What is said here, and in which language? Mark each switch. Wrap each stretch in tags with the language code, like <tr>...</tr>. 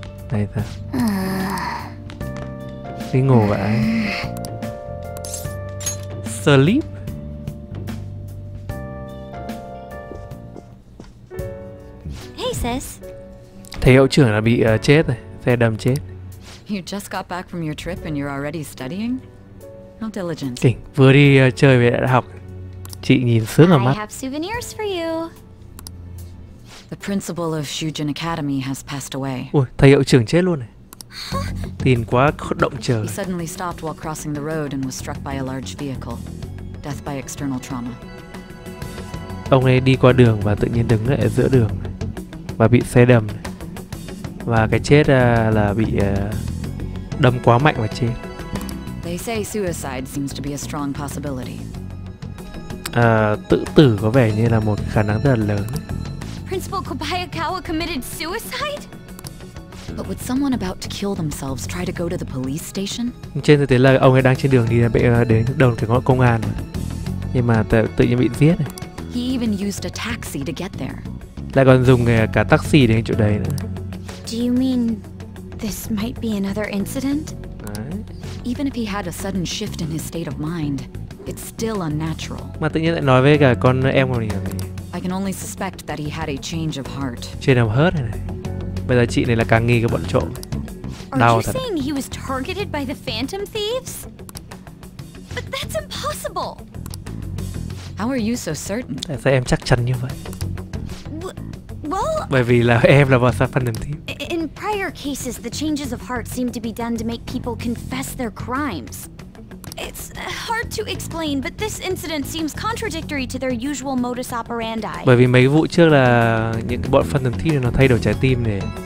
<vi>Đây ta. Đi ngủ vậy.</vi> <en>Sleep. Hey sis.</en> <vi>Thầy hiệu trưởng là bị chết rồi. Xe đâm chết.</vi> <en>You just got back from your trip and you're already studying? How diligent.</en> <vi>Kinh. Vừa đi chơi về đại học. Chị nhìn sướng ở mắt.</vi> <en>I have souvenirs for you. The principal of Shujin Academy has passed away.</en> <vi>Ui, thầy hiệu trưởng chết luôn này. Tin quá động trời.</vi> <en>He suddenly stopped while crossing the road and was struck by a large vehicle. Death by external trauma.</en> <vi>Ông ấy đi qua đường và tự nhiên đứng ở giữa đường và bị xe đâm. Và cái chết là bị đâm quá mạnh và chết.</vi> <en>They say suicide seems to be a strong possibility.</en> <vi>Tự tử có vẻ như là một khả năng rất là lớn.</vi> <en>Principal Kobayakawa committed suicide? But would someone about to kill themselves try to go to the police station?</en> <vi>Trên thực tế là ông ấy đang trên đường đi đến đồn cảnh sát công an. Nhưng mà tự nhiên bị giết.</vi> <en>He even used a taxi to get there.</en> <vi>Lại còn dùng cả taxi đến chỗ đấy nữa.</vi> <en>Do you mean this might be another incident? Even if he had a sudden shift in his state of mind, it's still unnatural.</en> <vi>Mà tự nhiên lại nói với cả con em của mình.</vi> <en>I can only suspect that he had a change of heart.</en> <vi>Chuyện nào hết này. Bây giờ chị này là càng nghi cái bọn trộm. Đau thật.</vi> <en>Are you saying he was targeted by the Phantom Thieves? But that's impossible. How are you so certain?</en> <vi>Tại sao em chắc chắn như vậy?</vi> <en>Well,</en> <vi>bởi vì là em là bọn Phantom Thieves.</vi> <en>In prior cases, the changes of heart seem to be done to make people confess their crimes. It's hard to explain, but this incident seems contradictory to their usual modus operandi.</en> <vi>Bởi vì mấy vụ trước là những bọn Phantom Thieves nó thay đổi trái tim này.</vi>